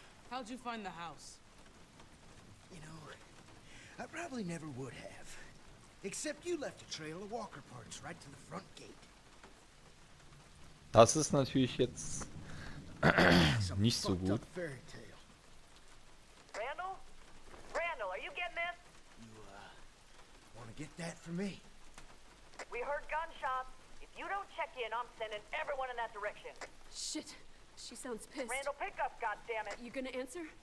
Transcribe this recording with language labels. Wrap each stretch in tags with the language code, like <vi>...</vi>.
<en>How'd you find the house? You know, I probably never would have. Except you left a trail of walker parts right to the front gate.</en> <de>Das ist natürlich jetzt nicht so gut.</de> <en>Randall? Randall, are you getting this? You, wanna get that for me? We heard gunshots. If you don't check in, I'm sending everyone in that direction. Shit. She sounds pissed. Randall, pick up, goddammit. You gonna answer?</en>